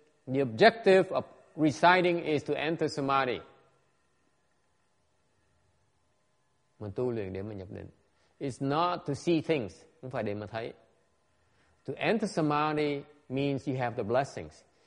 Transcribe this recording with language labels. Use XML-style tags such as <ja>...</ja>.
<en>The objective of reciting is to enter samadhi.</en> <vi>Mình tu liền để mình nhập định.</vi> <en>It's not to see things,</en> <vi>không phải để mà thấy.</vi> <en>To enter samadhi means you have the blessings.</en>